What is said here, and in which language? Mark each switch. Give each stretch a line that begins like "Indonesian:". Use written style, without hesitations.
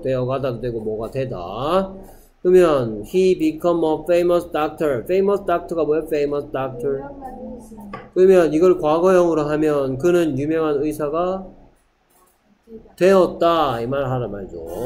Korean: 되어가다도 되고 뭐가 되다.
English: 그러면 he become a famous doctor.
Korean: famous doctor가 뭐예요?
English: famous doctor.
Korean: 그러면 이걸 과거형으로 하면 그는 유명한 의사가 되었다 이 말 하란 말이죠.